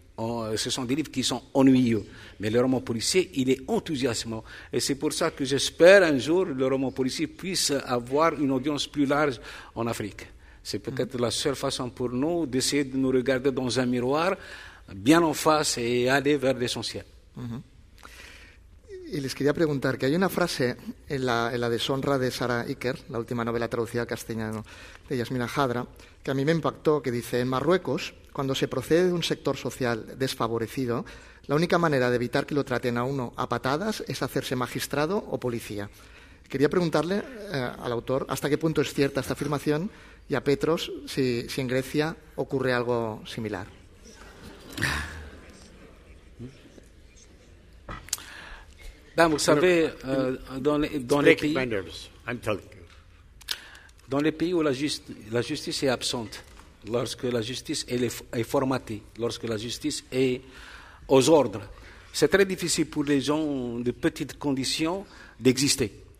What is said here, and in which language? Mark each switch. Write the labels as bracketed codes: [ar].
[fr] Ce sont des livres qui sont ennuyeux. Mais le roman policier, il est enthousiasmant. Et c'est pour ça que j'espère un jour le roman policier puisse avoir une audience plus large en Afrique. C'est peut-être la seule façon pour nous d'essayer de nous regarder dans un miroir, bien en face, et aller vers l'essentiel. [es] Y les quería preguntar que hay una frase en la Deshonra de Sarah Iker, la última novela traducida al castellano de Yasmina Hadra, que a mí me impactó, que dice: en Marruecos, cuando se procede de un sector social desfavorecido, la única manera de evitar que lo traten a uno a patadas es hacerse magistrado o policía. Quería preguntarle al autor hasta qué punto es cierta esta afirmación y a Petros si en Grecia ocurre algo similar. [fr] Vous savez, dans les pays où la justice est absente, lorsque la justice est formatée, lorsque la justice est aux ordres, c'est très difficile pour les gens de petites conditions d'exister.